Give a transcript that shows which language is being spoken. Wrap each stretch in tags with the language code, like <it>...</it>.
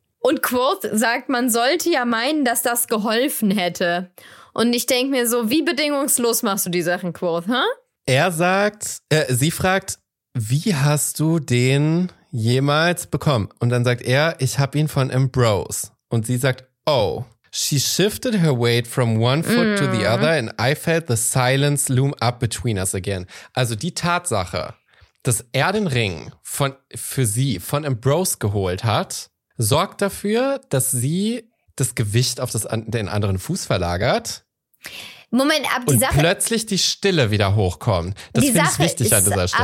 <de>Und Quoth sagt, man sollte ja meinen, dass das geholfen hätte. Und ich denke mir so, wie bedingungslos machst du die Sachen, Quoth? Huh? Er sagt, sie fragt, wie hast du den jemals bekommen? Und dann sagt er, ich habe ihn von Ambrose. Und sie sagt, oh.</de> <en>She shifted her weight from one foot to the other and I felt the silence loom up between us again.</en> <de>Also die Tatsache, dass er den Ring für sie von Ambrose geholt hat, sorgt dafür, dass sie das Gewicht auf den anderen Fuß verlagert. Moment, plötzlich die Stille wieder hochkommt. Das finde ich wichtig an dieser Stelle.</de>